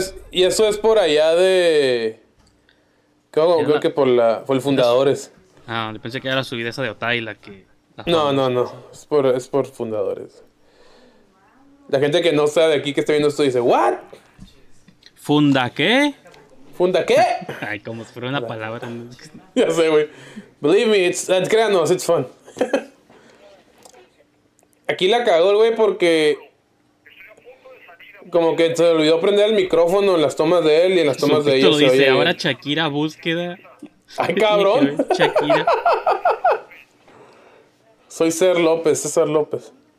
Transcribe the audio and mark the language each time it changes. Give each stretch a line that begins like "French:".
Spanish: Y eso es por allá de... Creo que por la... Fue el Fundadores. Ah, le pensé que era la subida esa de Otay la que... No. Es por Fundadores. La gente que no sabe de aquí que está viendo esto dice, ¿what? ¿Funda qué? ¿Funda qué? Ay, como si fuera una palabra. Ya sé, güey.
English: Believe me,
Spanish: créanos,
English: it's fun.
Spanish: Aquí la cagó el güey porque como que se olvidó prender el micrófono en las tomas de él y en las tomas de ella. Dice, ahora Shakira búsqueda. Ay, cabrón. Shakira. Soy César López.